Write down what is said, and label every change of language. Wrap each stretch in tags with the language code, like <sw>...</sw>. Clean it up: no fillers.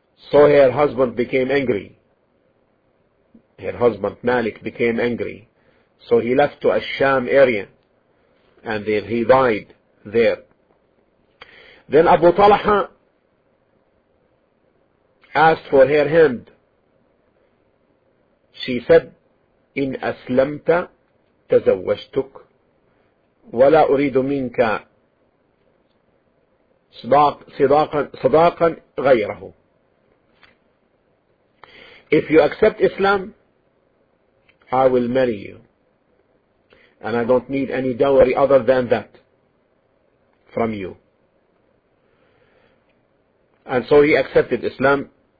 <en>So her husband became angry. Her husband Malik became angry. So he left to Ash-Sham area, and then he died there. Then Abu Talha asked for her hand. She said,</en> <ar>إِنْ أَسْلَمْتَ تَزَوَّجْتُكَ وَلَا أُرِيدُ مِنْكَ صِدَاقًا غَيْرَهُ.</ar> <en>If you accept Islam, I will marry you, and I don't need any dowry other than that from you. And so he accepted Islam.</en>